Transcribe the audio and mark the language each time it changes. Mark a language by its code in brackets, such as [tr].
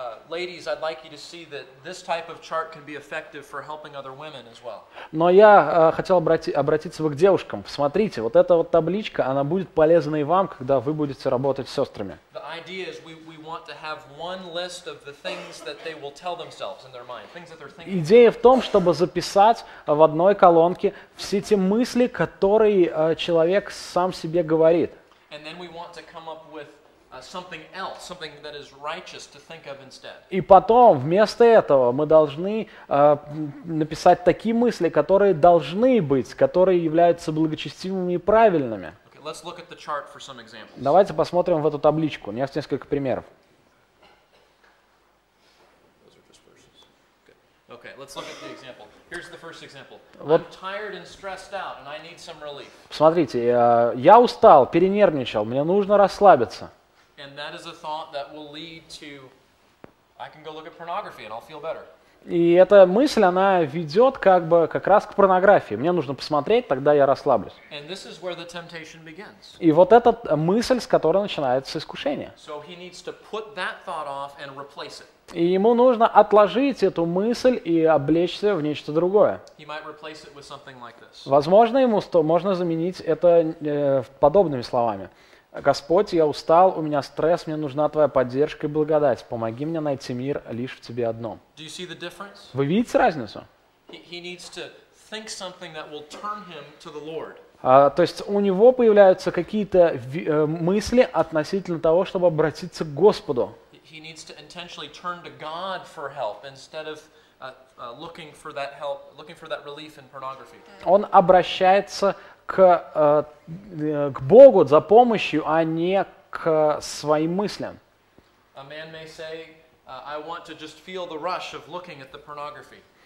[en] Ladies, I'd like you to see that this type of chart can be effective for helping other women as well. [ru] Но я хотел обратиться вы к девушкам. Посмотрите, вот эта вот табличка, она будет полезна и вам, когда вы будете работать с сестрами. [en] The idea is we want to have one list of the things that they will tell themselves in their mind, things that they're thinking. [ru] Идея в том, чтобы записать в одной колонке все те мысли, которые человек сам себе говорит. [en] And then we want to come up with something else, something that is righteous to think of instead. [ru] И потом, вместо этого, мы должны написать такие мысли, которые должны быть, которые являются благочестивыми и правильными. [en] Okay, let's look at the chart for some examples. [ru] Давайте посмотрим в эту табличку. У меня есть несколько примеров. [en] Okay, let's look at the example. Here's the first example. [ru] Вот. [en] I'm tired and stressed out, and I need some relief. [ru] Посмотрите, я устал, перенервничал, мне нужно расслабиться. [en] And that is a thought that will lead to, I can go look at pornography and I'll feel better. [ru] И эта мысль, она ведет как бы как раз к порнографии. Мне нужно посмотреть, тогда я расслаблюсь. [en] And this is where the temptation begins. [ru] И вот эта мысль, с которой начинается искушение. [en] So he needs to put that thought off and replace it. [ru] И ему нужно отложить эту мысль и облечься в нечто другое. [en] He might replace it with something like this. [ru] Возможно, ему можно заменить это подобными словами. Господь, я устал, у меня стресс, мне нужна Твоя поддержка и благодать. Помоги мне найти мир лишь в Тебе одном. [en] Do you see the difference? [ru] Вы видите разницу? [en] He needs to think something that will turn him to the Lord. [ru] То есть у него появляются какие-то мысли относительно того, чтобы обратиться к Господу. [en] He needs to intentionally turn to God for help instead of looking for that help, looking for that relief in pornography. [ru] Он обращается к Богу за помощью, а не к своим мыслям. [en] A man may say, I want to just feel the rush of looking at the pornography.